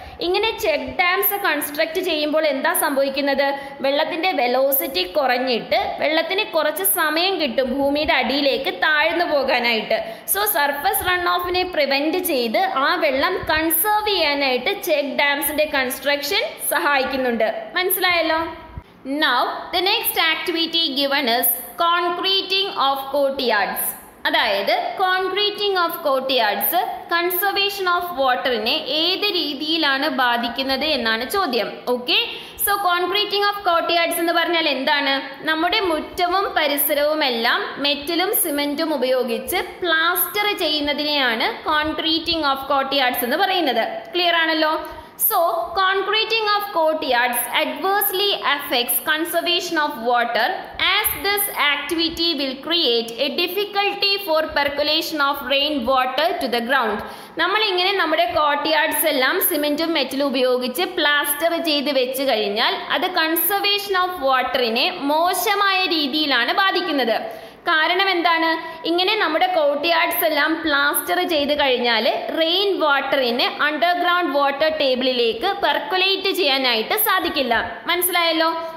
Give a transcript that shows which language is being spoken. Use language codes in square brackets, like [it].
[ml] ഇങ്ങനെ check dams construct ചെയ്യുമ്പോൾ എന്താ സംഭവിക്കുന്നത്? വെള്ളത്തിൻ്റെ വെലോസിറ്റി കുറഞ്ഞിട്ട് വെള്ളത്തിന് കുറച്ച് സമയം കിട്ടും ഭൂമിയുടെ അടിയിലേക്ക് താഴ്ന്നു പോകാനായിട്ട്. സോ സർഫസ് റൺ ഓഫിനെ പ്രിവെൻറ്റ് ചെയ്ത് ആ വെള്ളം കൺസേർവ് ചെയ്യാനായിട്ട് ചെക്ക് ഡാംസിൻ്റെ കൺസ്ട്രക്ഷൻ സഹായിക്കുന്നുണ്ട്. മനസ്സിലായല്ലോ. [en] Now, the next activity given is concreting of courtyards. [ml] അതായത് കോൺക്രീറ്റിംഗ് ഓഫ് കോർട്ട്യാർഡ്സ് കൺസർവേഷൻ ഓഫ് വാട്ടറിനെ ഏത് രീതിയിലാണ് ബാധിക്കുന്നത് എന്നാണ് ചോദ്യം. ഓക്കെ, സോ കോൺക്രീറ്റിംഗ് ഓഫ് കോർട്ട്യാർഡ്സ് എന്ന് പറഞ്ഞാൽ എന്താണ്? നമ്മുടെ മുറ്റവും പരിസരവും എല്ലാം മെറ്റലും സിമെൻറ്റും ഉപയോഗിച്ച് പ്ലാസ്റ്റർ ചെയ്യുന്നതിനെയാണ് കോൺക്രീറ്റിംഗ് ഓഫ് കോർട്ട്യാർഡ്സ് എന്ന് പറയുന്നത്. ക്ലിയർ ആണല്ലോ. [en] So, concreting of courtyards adversely affects conservation of water as this activity will create a difficulty for percolation of rain water to the ground. [ml] നമ്മളിങ്ങനെ നമ്മുടെ കോർട്ട്യാർഡ്സ് എല്ലാം സിമെൻറ്റും മെറ്റലും ഉപയോഗിച്ച് പ്ലാസ്റ്റർ ചെയ്ത് വെച്ച് കഴിഞ്ഞാൽ അത് കൺസർവേഷൻ ഓഫ് വാട്ടറിനെ മോശമായ രീതിയിലാണ് ബാധിക്കുന്നത്. കാരണം എന്താണ്? ഇങ്ങനെ നമ്മുടെ കോർട്ട്യാർഡ്സ് എല്ലാം പ്ലാസ്റ്റർ ചെയ്ത് കഴിഞ്ഞാൽ റെയിൻ വാട്ടറിന് അണ്ടർഗ്രൗണ്ട് വാട്ടർ ടേബിളിലേക്ക് പെർക്കുലേറ്റ് ചെയ്യാനായിട്ട് സാധിക്കില്ല. മനസ്സിലായല്ലോ.